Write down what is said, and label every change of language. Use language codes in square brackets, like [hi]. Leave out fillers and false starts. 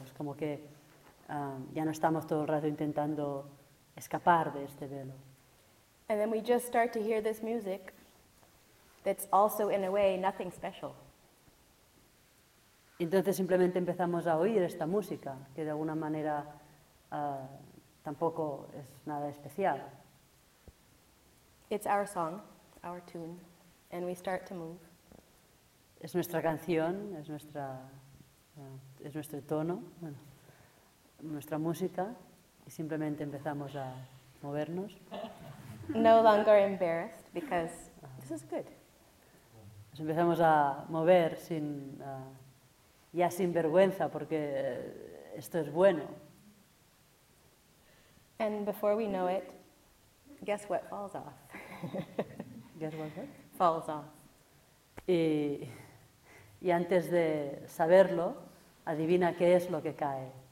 [es] Es como que ya no estamos todo el rato intentando escapar de este velo. [en] And then we just start to hear this music that's also, in a way, nothing special. [es] Entonces simplemente empezamos a oír esta música, que de alguna manera tampoco es nada especial. [en] It's our song, our tune, and we start to move. [es] Es nuestra canción, es nuestro tono, bueno, nuestra música, y simplemente empezamos a movernos. [en] No longer embarrassed, because this is good. [es] Nos empezamos a mover sin... ya sin vergüenza, porque esto es bueno. [en] And before we know it, guess what falls off? Guess what? What? Falls off. [es] Y antes de saberlo, adivina qué es lo que cae.